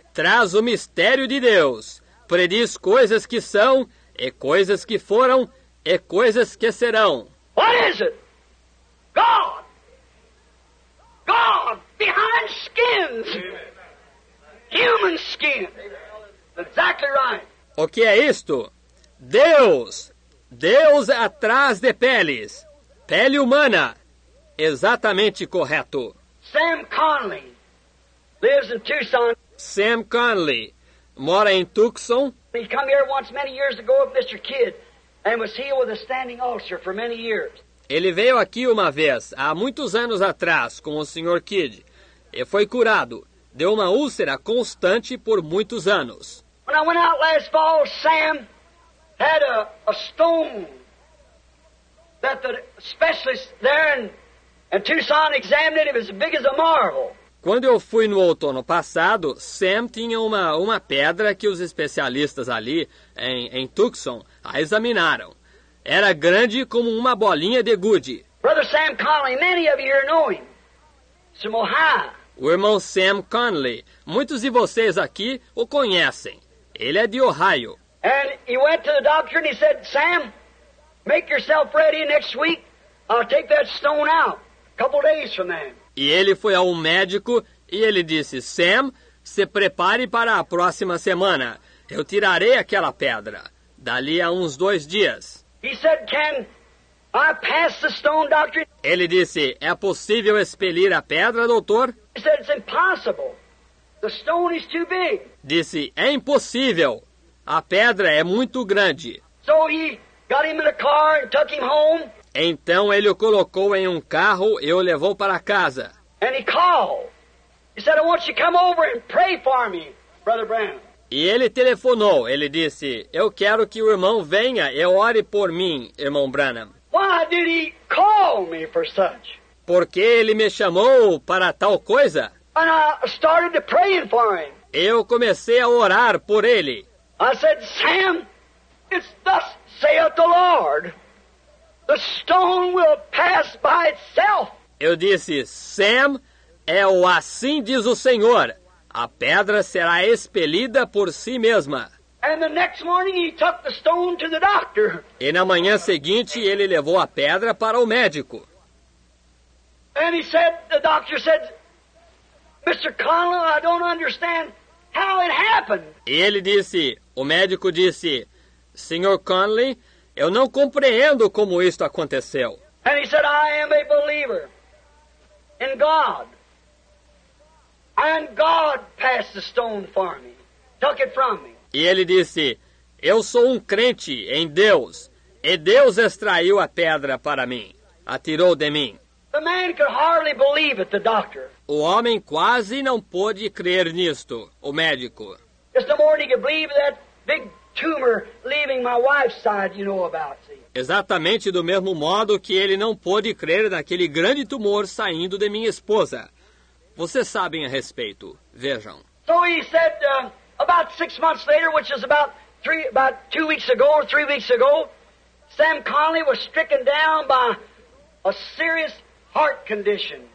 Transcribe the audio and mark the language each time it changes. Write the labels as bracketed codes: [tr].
[pt] Traz o mistério de Deus. prediz coisas que são, e coisas que foram, e coisas que serão. [en] What is it? God! God behind skins! Human skin! Exactly right! [pt] O que é isto? Deus! Deus atrás de peles! Pele humana! Exatamente correto! [en] Sam Conley lives in Tucson. [pt] Sam Conley mora em Tucson. [en] He came here once many years ago with Mr. Kidd and was healed with a standing ulcer for many years. [pt] Ele veio aqui uma vez, há muitos anos atrás, com o Sr. Kidd e foi curado de uma úlcera constante por muitos anos. [en] When I went out last fall, Sam had a stone that the specialist there in Tucson examined. It was as big as a marble. [pt] Quando eu fui no outono passado, Sam tinha uma pedra que os especialistas ali em Tucson a examinaram. Era grande como uma bolinha de gude. [en] Brother Sam Conley, many of you here know him. From Ohio. [pt] O irmão Sam Conley, muitos de vocês aqui o conhecem. Ele é de Ohio. [en] And he went to the doctor and he said, Sam, make yourself ready next week. I'll take that stone out a couple days from then. [pt] E ele foi ao médico e ele disse, Sam, se prepare para a próxima semana. Eu tirarei aquela pedra. Dali a uns dois dias. [en] He said, can I pass the stone, doctor? [pt] Ele disse, é possível expelir a pedra, doutor? [en] He said, it's impossible. The stone is too big. [pt] Disse, é impossível. A pedra é muito grande. [en] So he got him in a car and took him home. [pt] Então ele o colocou em um carro e o levou para casa. [en] And he called. He said, I want you to come over and pray for me, Brother Branham. [pt] E ele telefonou. Ele disse, eu quero que o irmão venha e ore por mim, irmão Branham. [en] Why did he call me for such? [pt] Porque ele me chamou para tal coisa. [en] And I started to pray for him. [pt] Eu comecei a orar por ele. [en] I said, Sam, it's thus saith the Lord. The stone will pass by itself. [pt] Eu disse, Sam, é o assim diz o Senhor. A pedra será expelida por si mesma. [en] And the next morning he took the stone to the doctor. [pt] E na manhã seguinte ele levou a pedra para o médico. [en] And he said, the doctor said, Mr. Connell, I don't understand how it happened. [pt] E ele disse, o médico disse, Sr. Connelly, eu não compreendo como isto aconteceu. [en] And he said, I am a believer in God. And God passed the stone for me, took it from me. [pt] E ele disse, eu sou um crente em Deus, e Deus extraiu a pedra para mim, atirou de mim. [en] The man could hardly believe it, the doctor. [pt] O homem quase não pôde crer nisto, o médico. [en] Just the morning he could believe that big tumor leaving my wife's side, you know about, see. [pt] Exatamente do mesmo modo que ele não pôde crer naquele grande tumor saindo de minha esposa. Vocês sabem a respeito. Vejam. [en] So he said, about 6 months later, which is about 2 weeks ago or 3 weeks ago, Sam Conley was stricken down by a serious heart condition.